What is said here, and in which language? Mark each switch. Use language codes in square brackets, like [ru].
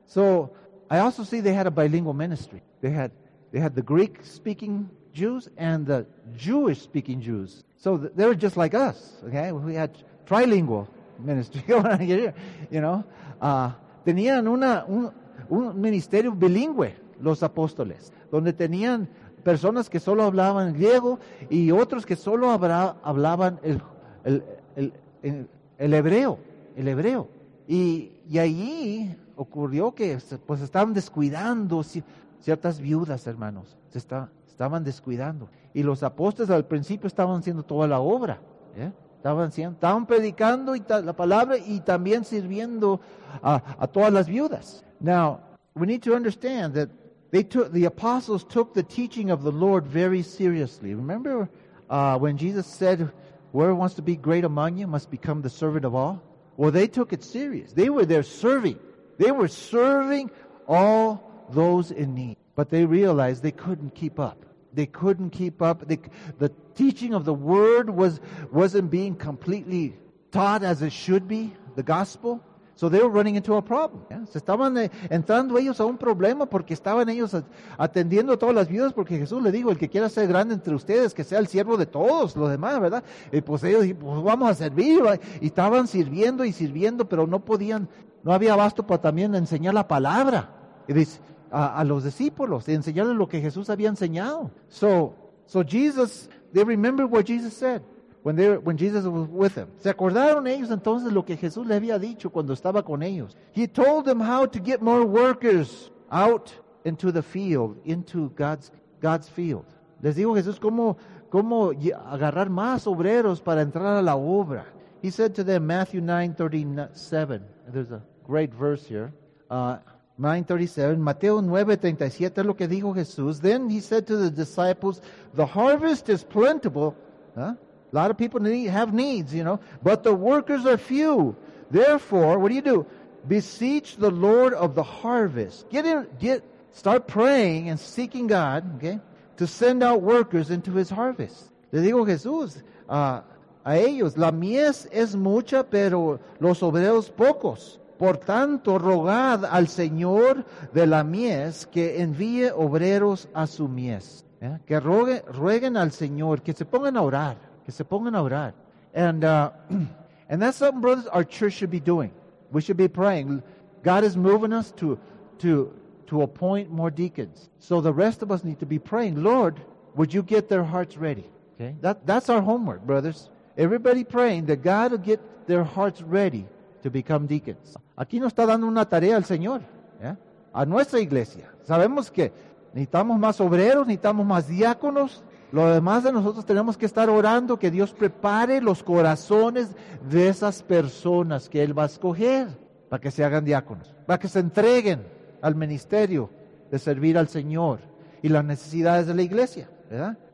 [en] So I also see they had a bilingual ministry. They had the Greek speaking Jews and the Jewish speaking Jews. So they were just like us, okay? We had trilingual ministry. You know, [es] tenían un ministerio bilingüe los apóstoles, donde tenían personas que solo hablaban griego y otros que solo hablaban el hebreo. Y allí ocurrió que pues estaban descuidando ciertas viudas, hermanos, estaban descuidando. Y los apóstoles al principio estaban haciendo toda la obra, ¿eh? Estaban predicando la palabra y también sirviendo a todas las viudas. [en] Now, we need to understand that the apostles took the teaching of the Lord very seriously. Remember when Jesus said, whoever wants to be great among you must become the servant of all? Well, they took it serious. They were there serving. They were serving all those in need. But they realized they couldn't keep up. They couldn't keep up. The teaching of the word wasn't being completely taught as it should be, the gospel. So they were running into a problem. Yeah? [es] Se estaban entrando ellos a un problema porque estaban ellos atendiendo a todas las viudas porque Jesús le dijo, el que quiera ser grande entre ustedes, que sea el siervo de todos los demás, ¿verdad? Y pues ellos dijeron, pues vamos a servir. Y estaban sirviendo y sirviendo, pero no podían, no había abasto para también enseñar la palabra. Y dice, a los discípulos, y enseñarles lo que Jesús había enseñado. [en] So Jesus, they remembered what Jesus said when Jesus was with them. [es] Se acordaron ellos entonces lo que Jesús le había dicho cuando estaba con ellos. [en] He told them how to get more workers out into the field, into God's field. [es] Les dijo Jesús cómo agarrar más obreros para entrar a la obra. [en] He said to them, Matthew 9:37. There's a great verse here. [es] 9:37, Mateo 9:37, es lo que dijo Jesús. [en] Then he said to the disciples, the harvest is plentiful. Huh? A lot of people have needs, you know. But the workers are few. Therefore, what do? Beseech the Lord of the harvest. Start praying and seeking God, okay, to send out workers into his harvest. [es] Le dijo Jesús a ellos, la mies es mucha, pero los obreros pocos. Por tanto, rogad al Señor de la mies que envíe obreros a su mies. Yeah? Que rueguen al Señor, que se pongan a orar, que se pongan a orar. [en] And that's something, brothers, our church should be doing. We should be praying. God is moving us to appoint more deacons. So the rest of us need to be praying. Lord, would you get their hearts ready? Okay, that's our homework, brothers. Everybody praying that God will get their hearts ready to become deacons. [es] Aquí nos está dando una tarea al Señor, ¿eh? A nuestra iglesia. Sabemos que necesitamos más obreros, necesitamos más diáconos. Lo demás de nosotros tenemos que estar orando que Dios prepare los corazones de esas personas que Él va a escoger para que se hagan diáconos, para que se entreguen al ministerio de servir al Señor y las necesidades de la iglesia, ¿verdad?